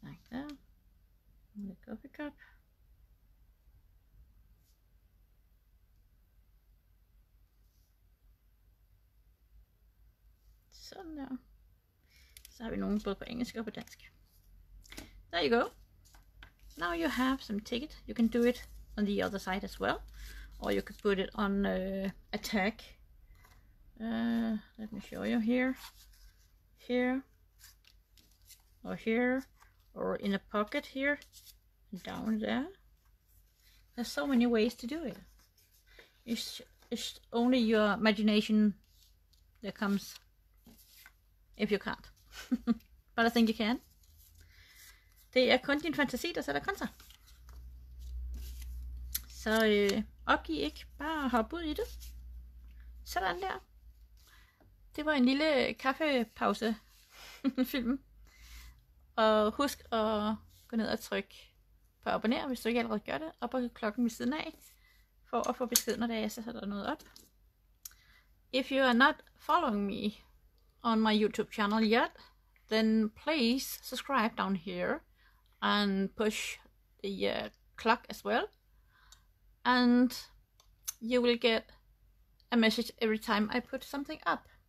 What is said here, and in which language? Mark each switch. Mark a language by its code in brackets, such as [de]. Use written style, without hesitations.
[en] The coffee cup. [da] Sådan der. Så har vi nogle både på engelsk og på dansk. [en] There you go. Now you have some ticket. You can do it on the other side as well. Or you could put it on a tag. Let me show you here. Here. Or here. Or in a pocket here. Down there. There's so many ways to do it. It's only your imagination that comes if you can't. But I think you can. [da] Det er kun din fantasi, der sætter grænser. Så opgiv ikke. Bare hop ud i det. Sådan der. Det var en lille kaffepause film. Og husk at gå ned og trykke på abonner, hvis du ikke allerede gør det, og på klokken ved siden af, for at få besked, når jeg sætter noget op. [en] If you are not following me on my YouTube channel yet, then please subscribe down here and push the clock as well. And you will get a message every time I put something up.